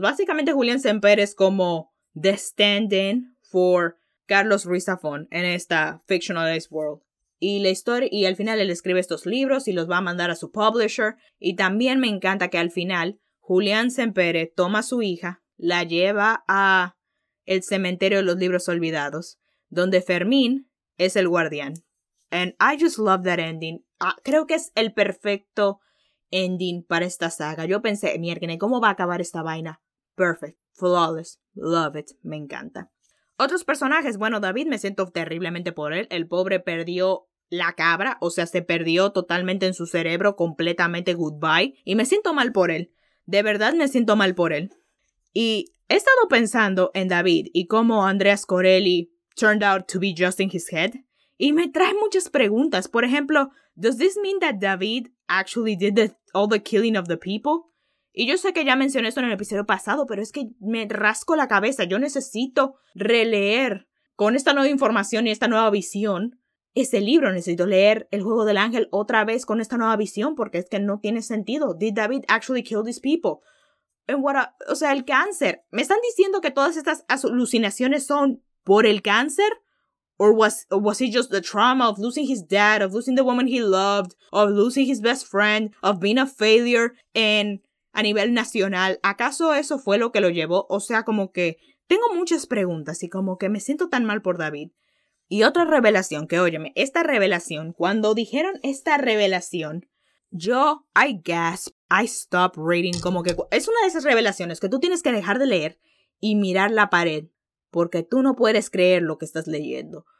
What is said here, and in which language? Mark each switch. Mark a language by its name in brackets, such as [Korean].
[Spanish] Básicamente, Julián Sempere es como [English] the stand-in for [Spanish] Carlos Ruiz Zafón en esta [English] fictionalized world. [Spanish] Y la historia, y al final él escribe estos libros y los va a mandar a su publisher. Y también me encanta que al final Julián Sempere toma a su hija, la lleva a el cementerio de los libros olvidados, donde Fermín es el guardián. [English] And I just love that ending. [Spanish] Creo que es el perfecto ending para esta saga. Yo pensé, mierda, ¿cómo va a acabar esta vaina? [English] Perfect, flawless, love it, [Spanish] me encanta. Otros personajes, bueno, David, me siento terriblemente por él. El pobre perdió la cabra, o sea, se perdió totalmente en su cerebro, completamente goodbye. Y me siento mal por él. De verdad me siento mal por él. Y he estado pensando en David y cómo Andrea Scorelli [English] turned out to be just in his head. [Spanish] Y me trae muchas preguntas. Por ejemplo, [English] does this mean that David actually did all the killing of the people? [Spanish] Y yo sé que ya mencioné esto en el episodio pasado, pero es que me rasco la cabeza. Yo necesito releer con esta nueva información y esta nueva visión ese libro. Necesito leer El Juego del Ángel otra vez con esta nueva visión, porque es que no tiene sentido. [English] Did David actually kill these people? And what a, [Spanish] o sea, el cáncer. ¿Me están diciendo que todas estas alucinaciones son por el cáncer? [English] Or was it just the trauma of losing his dad, of losing the woman he loved, of losing his best friend, of being a failure and a [Spanish] nivel nacional? ¿Acaso eso fue lo que lo llevó? O sea, como que tengo muchas preguntas y como que me siento tan mal por David. Y otra revelación, que óyeme, esta revelación, cuando dijeron esta revelación, yo, [English] I gasp, I stop reading, [Spanish] como que es una de esas revelaciones que tú tienes que dejar de leer y mirar la pared, porque tú no puedes creer lo que estás leyendo.